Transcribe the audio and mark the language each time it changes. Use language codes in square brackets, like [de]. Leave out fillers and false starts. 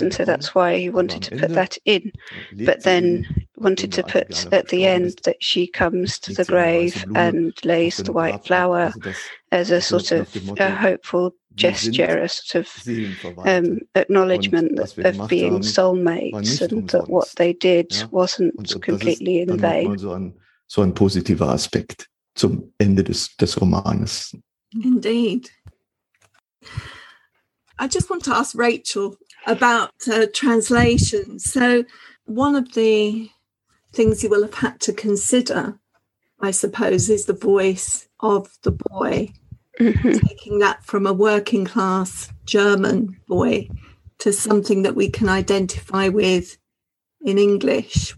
[en] And so that's why he wanted to put that in. But then wanted to put at the end that she comes to the grave and lays the white flower as a sort of a hopeful gesture, a sort of acknowledgement of being soulmates, and that what they did wasn't completely in vain. [de] So ein positiver Aspekt zum Ende des Romanes. [en] Indeed. I just want to ask Rachel about translation. So one of the things you will have had to consider, I suppose, is the voice of the boy, taking that from a working class German boy to something that we can identify with in English.